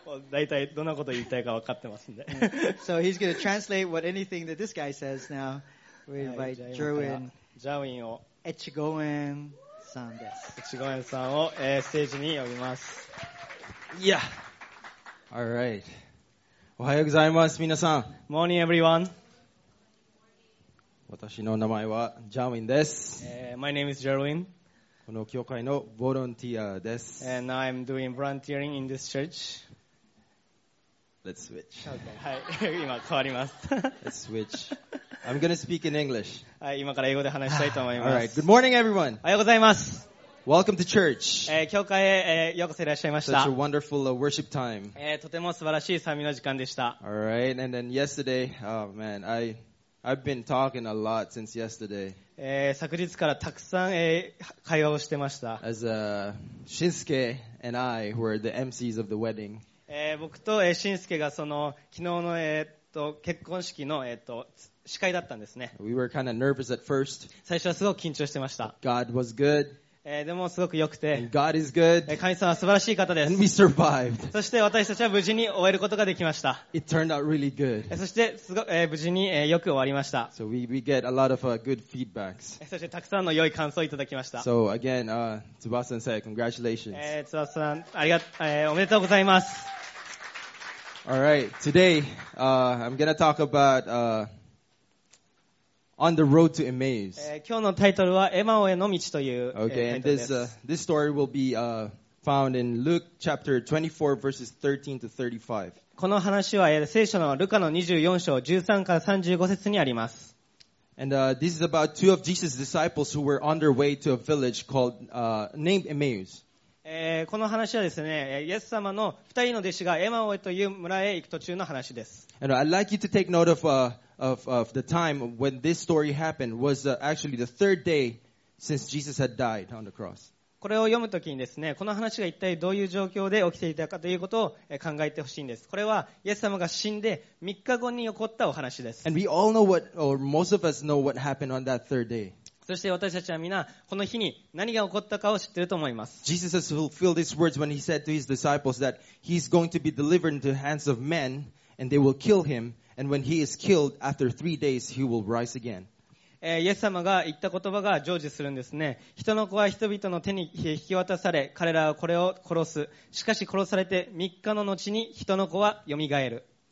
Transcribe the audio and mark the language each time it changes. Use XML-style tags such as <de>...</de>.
<ja>だいたいどんなこと言いたいか分かってますんで。</ja> <en>So he's going to translate what anything that this guy says now. We invite Jerwin.</en> <ja>Jerwin を。エチゴエンさんです。エチゴエンさんをステージに呼びます。</ja> <en>Yeah. All right.</en> <ja>おはようございます、皆さん。</ja> <en>Morning, everyone.</en> <ja>私の名前はジャーウィンです。</ja> <en>My name is Jerwin.</en> <ja>この教会のボランティアです。</ja> <en>And now I'm doing volunteering in this church. Let's switch.</en> <ja>Okay. はい、今変わります。</ja> <en>Let's switch. I'm going to speak in English.</en> <ja>はい、今から英語で話したいと思います。</ja> <en>All right. Good morning, everyone.</en> <ja>おはようございます。</ja> <en>Welcome to church.</en> <ja>教会へ、ようこそいらっしゃいました。</ja> <en>Such a wonderful worship time.</en> <ja>とても素晴らしい賛美の時間でした。</ja> <en>All right, and then yesterday, oh man, I've been talking a lot since yesterday.</en> <ja>昨日からたくさん、会話をしてました。</ja> <en>As Shinsuke and I were the MCs of the wedding.</en> <ja>僕と、Shinsuke がその昨日の、結婚式の、司会だったんですね。</ja> <en>We were kind of nervous at first.</en> <ja>最初はすごく緊張してました。</ja> <en>God was good.</en> <ja>でもすごく良くて、</ja> <en>God is good.</en> <ja>神様は素晴らしい方です。</ja> <en>And we survived.</en> <ja>そして私たちは無事に終えることができました。</ja> <en>It turned out really good.</en> <ja>そしてすご、無事に、よく終わりました。</ja> <en>So we get a lot of, good feedbacks.</en> <ja>そしてたくさんの良い感想をいただきました。</ja> <en>So again, Tsubasa-sensei, congratulations.</en> <ja>Tsubasa-san, おめでとうございます。</ja> <en>Alright, today, I'm gonna talk about, On the road to Emmaus.</en> <ja>今日のタイトルはエマオへの道という</ja> <en>Okay, and this, this story will be, found in Luke chapter 24 verses 13 to 35.</en> <ja>この話は聖書のルカの24章13から35節にあります。</ja> <en>And, this is about two of Jesus' disciples who were on their way to a village called, named Emmaus.</en> <ja>この話はですね、イエス様の2人の弟子がエマオへという村へ行く途中の話です。</ja> <en>And I'd like you to take note of the time when this story happened was actually the third day since Jesus had died on the cross.</en> <ja>これを読むときにですね、この話が一体どういう状況で起きていたかということを考えてほしいんです。これはイエス様が死んで3日後に起こったお話です。</ja> <en>And we all know what, or most of us know what happened on that third day.</en> <ja>そして私たちはみんなこの日に何が起こったかを知っていると思います。</ja> <en>Jesus has fulfilled his words when he said to his disciples that he's going to be delivered into the hands of men and they will kill him. And when he is killed, after three days, he will rise again.</en> <ja>イエス様が言った言葉が成就するんですね。人の子は人々の手に引き渡され、彼らはこれを殺す。しかし殺されて3日の後に人の子は蘇る。</ja>